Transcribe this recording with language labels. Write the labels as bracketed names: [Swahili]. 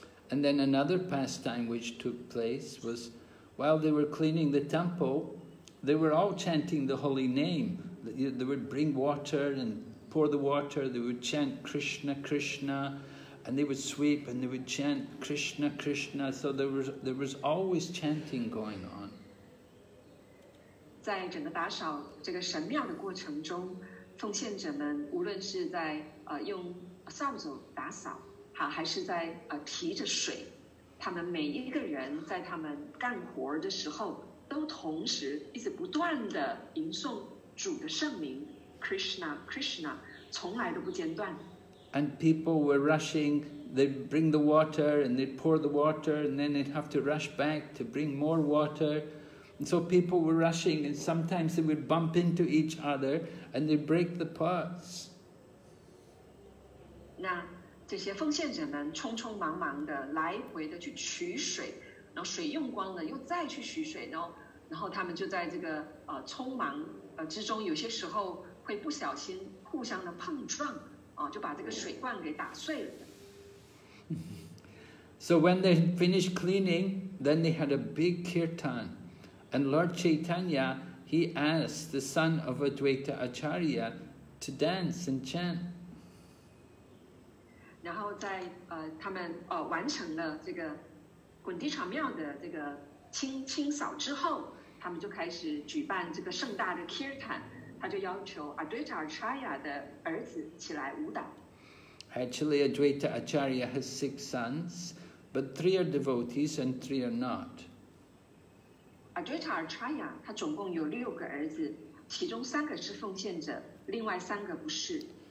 [English] And then another pastime which took place was, while they were cleaning the temple, they were all chanting the holy name. They would bring water and pour the water. They would chant Krishna, Krishna, and they would sweep and they would chant Krishna, Krishna. So there was always chanting going on. [Chinese] 在整个打扫这个神庙的过程中。奉献者们无论是在用扫帚打扫，还是在提着水，他们每一个人在他们干活的时候，都同时一直不断地吟诵主的圣名 Krishna Krishna， 从来都不间断。 [English] And people were rushing. They'd bring the water and they'd pour the water, and then they'd have to rush back to bring more water. so people were rushing, and sometimes they would bump into each other and they'd break the pots. [Chinese] 那这些奉献者们匆匆忙忙的来回的去取水，然后水用光了又再去取水，然后他们就在这个匆忙之中，有些时候会不小心互相的碰撞，就把这个水罐给打碎了。 [English] So when they finished cleaning, then they had a big kirtan. And Lord Chaitanya, he asked the son of Advaita Acharya to dance and chant. [Chinese] 然后在他们完成了这个滚地场庙的这个清扫之后，他们就开始举办这个盛大的 kirtan. 他就要求 Advaita Acharya 的儿子起来舞蹈。 [English] Actually, Advaita Acharya has 6 sons, but 3 are devotees and 3 are not. [Chinese] Advaita Acharya, 他总共有六个儿子，其中三个是奉献者，另外三个不是。